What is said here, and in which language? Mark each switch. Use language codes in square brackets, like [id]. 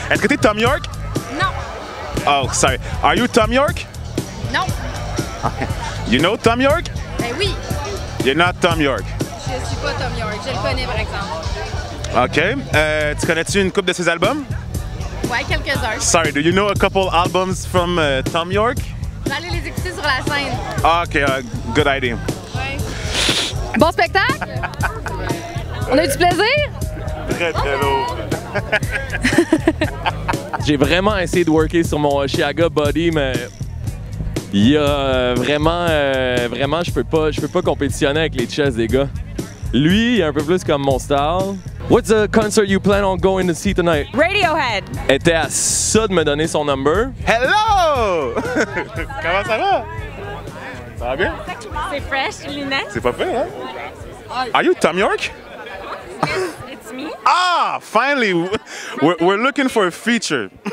[fr] Est-ce que t'es Tom York? Non. [en] Oh, sorry. Are you Tom York? No. You know Tom York? [fr] Hey, oui. [en] You're not Tom York. [fr] Je suis pas Tom York, je le connais par exemple. Ok. Tu connais-tu une couple de ses albums? Ouais, quelques-uns. [en] Sorry, do you know a couple albums from Tom York? [fr] On va aller les écouter sur la scène. [en] Ok, good idea. [fr] Bon spectacle? On a du plaisir? Très très lourd. J'ai vraiment essayé de worker sur mon Osheaga body, mais il y a vraiment je peux pas compétitionner avec les chests des gars. Lui, il est un peu plus comme mon style. [en] What's the concert you plan on going to see tonight? Radiohead. [fr] Était à ça de me donner son number. Hello! Comment ça va? Ça va bien? C'est fresh, lunettes. C'est pas fait, hein? [en] Are you Tom York? It's me. Ah, finally! We're looking for a feature.